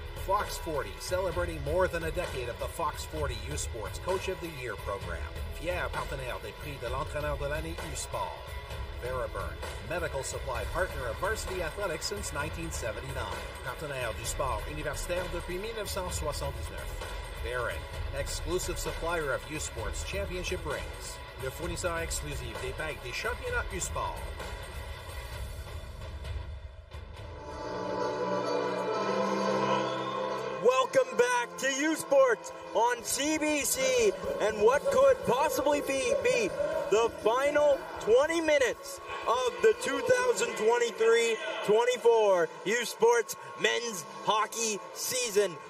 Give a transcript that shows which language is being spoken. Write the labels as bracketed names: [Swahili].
[English] Fox 40, celebrating more than a decade of the Fox 40 U Sports Coach of the Year program. [French] Pierre Partenaire des Prix de l'Entraîneur de l'année U Sport. [English] Veriburn, medical supply partner of varsity athletics since 1979. [French] Partenaire du Sport Universitaire depuis 1979. [English] Baron, exclusive supplier of U Sports Championship rings. [French] Le fournisseur exclusif des bagues des championnats U Sport. [English] Welcome back to U Sports on CBC, and what could possibly be the final 20 minutes of the 2023-24 U Sports men's hockey season.